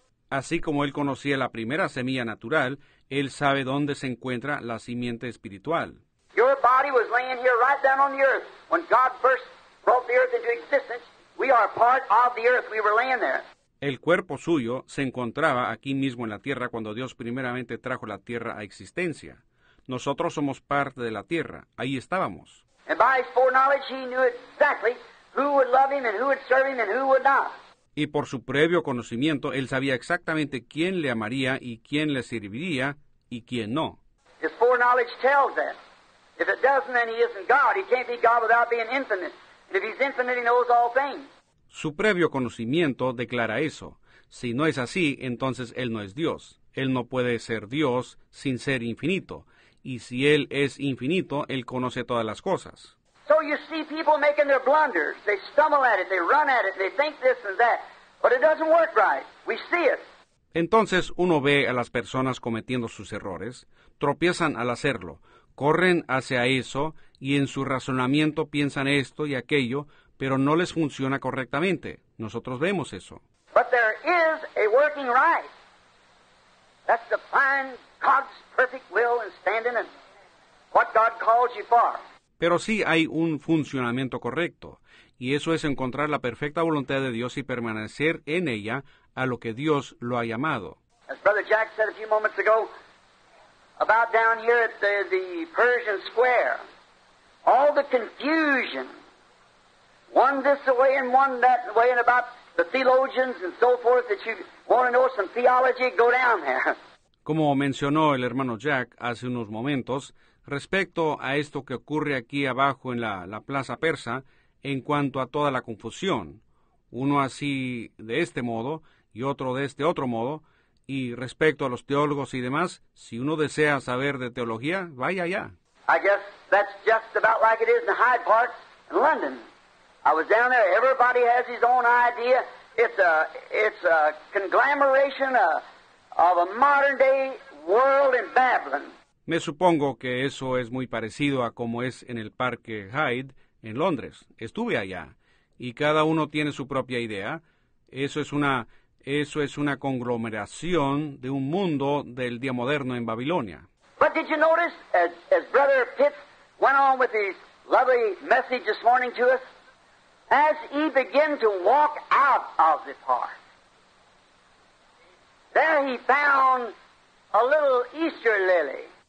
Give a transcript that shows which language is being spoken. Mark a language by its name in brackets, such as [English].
[Spanish] Así como él conocía la primera semilla natural, él sabe dónde se encuentra la simiente espiritual. [English] Your body was laying here right down on the earth when God first brought the earth into existence. We are part of the earth. We were laying there. [Spanish] El cuerpo suyo se encontraba aquí mismo en la tierra cuando Dios primeramente trajo la tierra a existencia. Nosotros somos parte de la tierra. Ahí estábamos. [English] And by his foreknowledge, he knew exactly who would love him and who would serve him and who would not. [Spanish] Y por su previo conocimiento, él sabía exactamente quién le amaría y quién le serviría y quién no. [English] His foreknowledge tells that. If it doesn't, then he isn't God. He can't be God without being infinite. If he's infinite, he knows all things. [Spanish] Su previo conocimiento declara eso. Si no es así, entonces él no es Dios. Él no puede ser Dios sin ser infinito. Y si él es infinito, él conoce todas las cosas. [English] So you see people making their blunders. They stumble at it, they run at it, they think this and that. But it doesn't work right. We see it. [Spanish] Entonces uno ve a las personas cometiendo sus errores, tropiezan al hacerlo, corren hacia eso, y en su razonamiento piensan esto y aquello, pero no les funciona correctamente. Nosotros vemos eso. [English] But there is a working right. That's to find God's perfect will and standing and what God calls you for. [Spanish] Pero sí hay un funcionamiento correcto, y eso es encontrar la perfecta voluntad de Dios y permanecer en ella a lo que Dios lo ha llamado. [English] As Brother Jack said a few moments ago, about down here at the Pershing Square, all the confusion, one this way and one that way, and about the theologians and so forth, that you want to know some theology, go down there. [Spanish] Como mencionó el hermano Jack hace unos momentos, respecto a esto que ocurre aquí abajo en la Plaza Persa, en cuanto a toda la confusión, uno así de este modo y otro de este otro modo, y respecto a los teólogos y demás, si uno desea saber de teología, vaya allá. [English] I guess that's just about like it is in Hyde Park in London. I was down there. Everybody has his own idea. It's a conglomeration of a modern day world in Babylon. [Spanish] Me supongo que eso es muy parecido a como es en el Parque Hyde en Londres. Estuve allá. Y cada uno tiene su propia idea. Eso es una conglomeración de un mundo del día moderno en Babilonia. [English] But did you notice, as Brother Pitts went on with his lovely message this morning to us, as he began to walk out of the park, there he found a little Easter lily.